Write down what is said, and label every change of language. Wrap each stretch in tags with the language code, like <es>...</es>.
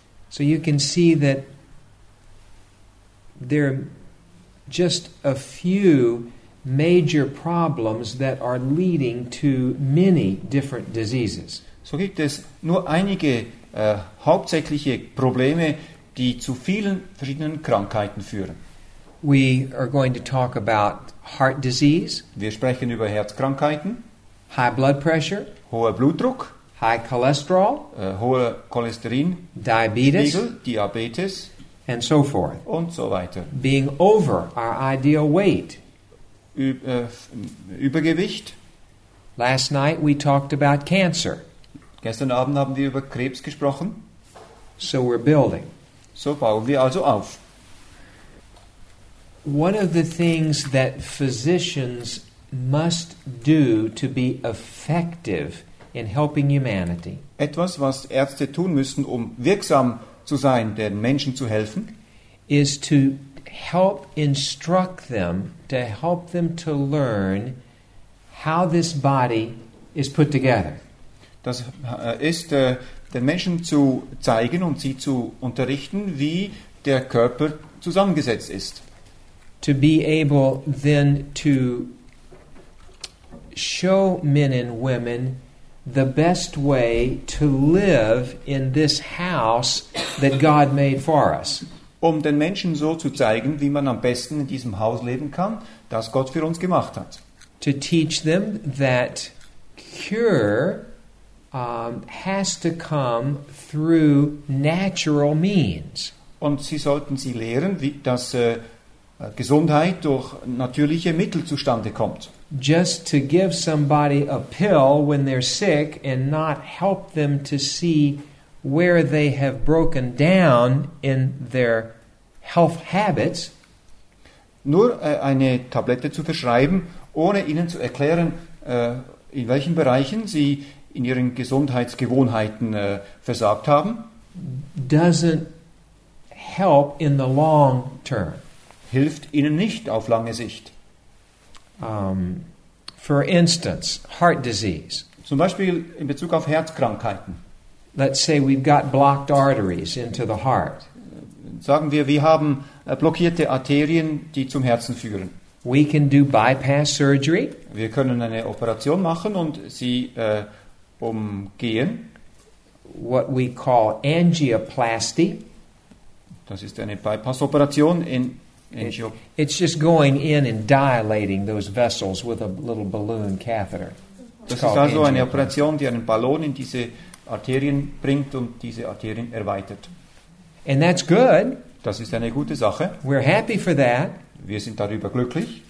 <en>So you can see that there are just a few major problems that are leading to many different diseases.</en> <de>So gibt es nur einige hauptsächliche Probleme, die zu vielen verschiedenen Krankheiten führen.</de> <en>We are going to talk about heart disease.</en> <de>Wir sprechen über Herzkrankheiten.</de> <en>High blood pressure.</en> <de>Hoher Blutdruck.</de> <en>High cholesterol.</en> <de>Hoher Cholesterin.</de> <en>Diabetes. And so forth.</en> <de>Und so weiter.</de> <en>Being over our ideal weight.</en> <de>Übergewicht.</de> <en>Last night we talked about cancer.</en> <de>Gestern Abend haben wir über Krebs gesprochen.</de> <en>So we're building.</en> <de>So bauen wir also auf.</de> <en>One of the things that physicians must do to be effective in helping humanity.</en> <de>Etwas, was Ärzte tun müssen, um wirksam zu sein, den Menschen zu helfen,</de> <en>is to help instruct them, to help them to learn how this body is put together.</en> <de>Das ist, den Menschen zu zeigen und sie zu unterrichten, wie der Körper zusammengesetzt ist.</de> <en>To be able then to show men and women the best way to live in this house that God made for us.</en> <de>Um den Menschen so zu zeigen, wie man am besten in diesem Haus leben kann, das Gott für uns gemacht hat.</de> <en>To teach them that cure has to come through natural means.</en> <de>Und sie sollten sie lehren, wie, dass Gesundheit durch natürliche Mittel zustande kommt.</de> <en>Just to give somebody a pill when they're sick and not help them to see where they have broken down in their health habits.</en> <de>Nur eine Tablette zu verschreiben, ohne ihnen zu erklären, in welchen Bereichen sie in ihren Gesundheitsgewohnheiten versagt haben,</de> <en>doesn't help in the long term.</en> <de>Hilft ihnen nicht auf lange Sicht.</de> <en>For instance, heart disease.</en> <de>Zum Beispiel in Bezug auf Herzkrankheiten.</de> <en>Let's say we've got blocked arteries into the heart.</en> <de>Sagen wir, wir haben blockierte Arterien, die zum Herzen führen.</de> <en>We can do bypass surgery.</en> <de>Wir können eine Operation machen und sie umgehen.</de> <en>What we call angioplasty.</en> <de>Das ist eine Bypass-Operation</de> <en>It's just going in and dilating those vessels with a little balloon catheter.</en> <de>Das ist also eine Operation, die einen Ballon in diese Arterien bringt und diese Arterien erweitert.</de> <en>And that's good.</en> <de>Das ist eine gute Sache.</de> <en>We're happy for that.</en> <de>Wir sind darüber glücklich.</de>